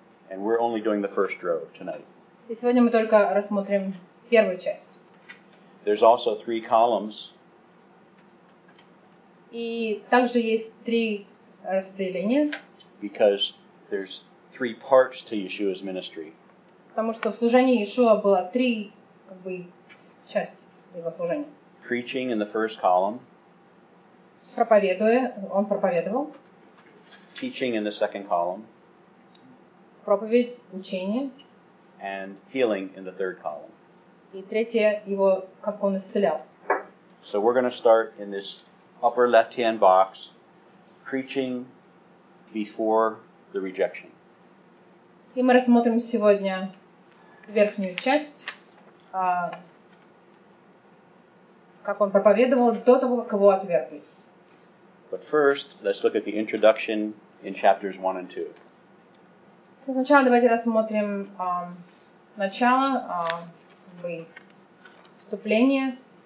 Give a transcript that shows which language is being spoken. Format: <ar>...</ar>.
<en>And we're only doing the first row tonight.</en> <ru>И сегодня мы только рассмотрим первую часть.</ru> <en>There's also three columns.</en> <ru>И также есть три распределения.</ru> <en>Because there's three parts to Yeshua's ministry.</en> <ru>Потому что в служении Иешуа было три части его служения.</ru> <en>Preaching in the first column.</en> <ru>Проповедуя, он проповедовал.</ru> <en>Teaching in the second column.</en> <ru>Проповедь, учение.</ru> <en>And healing in the third column.</en> <ru>И третье, его, как он исцелял.</ru> <en>So we're going to start in this upper left-hand box, preaching before the rejection.</en> <ru>И мы рассмотрим сегодня верхнюю часть, как он проповедовал до того, как его отвергли.</ru> <en>But first, let's look at the introduction in chapters 1 and 2.</en> <ru>Сначала давайте рассмотрим начало, вступление.</ru>